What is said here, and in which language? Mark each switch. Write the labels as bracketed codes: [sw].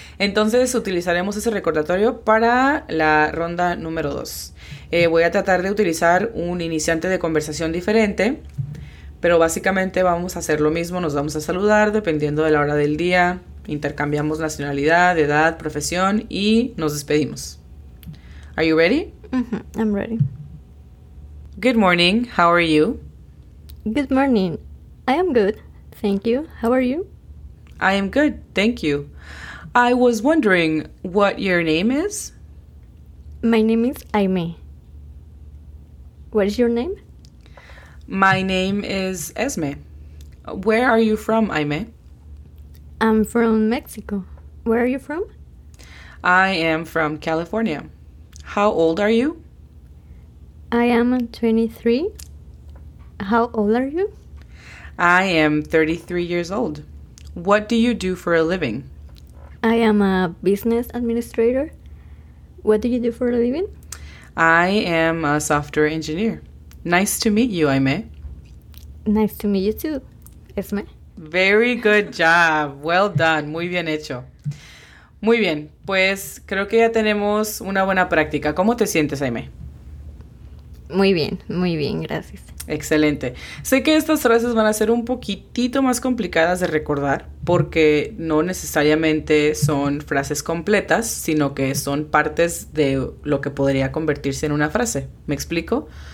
[es] Entonces utilizaremos ese recordatorio para la ronda número 2. Voy a tratar de utilizar un iniciante de conversación diferente, pero básicamente vamos a hacer lo mismo, nos vamos a saludar dependiendo de la hora del día, intercambiamos nacionalidad, edad, profesión y nos despedimos. [en] Are you ready? I'm ready. Good morning, how are you? Good morning. I am good. Thank you. How are you? I am good, thank you. I was wondering what your name is. My name is Aimee. What is your name? My name is Esme. Where are you from, Aimee? I'm from Mexico. Where are you from? I am from California. How old are you? I am 23. How old are you? I am 33 years old. What do you do for a living? I am a business administrator. What do you do for a living? I am a software engineer. Nice to meet you, Aimee. Nice to meet you too, Esme. Very good job. Well done. [es] Muy bien hecho. Muy bien, pues creo que ya tenemos una buena práctica. ¿Cómo te sientes, Aimee? Muy bien, gracias. Excelente. Sé que estas frases van a ser un poquitito más complicadas de recordar porque no necesariamente son frases completas, sino que son partes de lo que podría convertirse en una frase. ¿Me explico?